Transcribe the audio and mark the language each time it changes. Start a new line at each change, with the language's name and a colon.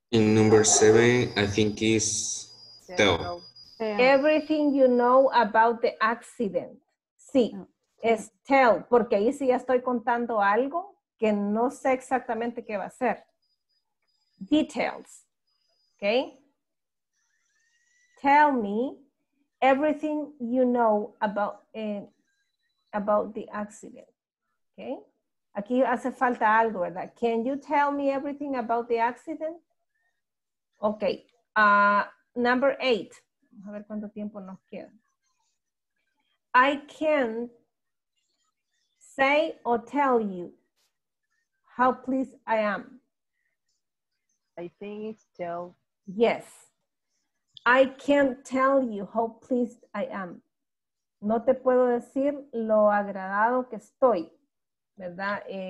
English: In number 7, I think is tell. Everything you know about the accident.
Spanish: Sí, es tell. Porque ahí sí ya estoy contando algo que no sé exactamente qué va a ser.
English: Details. Okay. Tell me everything you know about the accident. Okay.
Spanish: Aquí hace falta algo, ¿verdad?
English: Can you tell me everything about the accident? Okay, number 8.
Spanish: Vamos a ver cuánto tiempo nos queda.
English: I can say or tell you how pleased I am. I think it's tell. Yes. I can tell you how pleased I am.
Spanish: No te puedo decir lo agradado que estoy, ¿verdad?